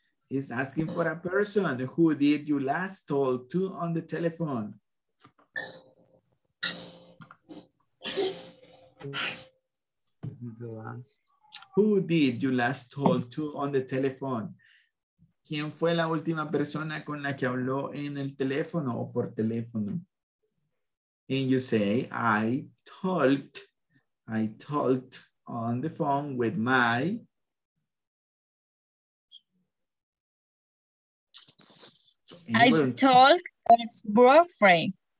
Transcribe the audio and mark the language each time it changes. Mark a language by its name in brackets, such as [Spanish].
[English] He's asking for a person. Who did you last talk to on the telephone? Who did you last talk to on the telephone? [Spanish] ¿Quién fue la última persona con la que habló en el teléfono o por teléfono? [English] And you say, I talked on the phone with my boyfriend.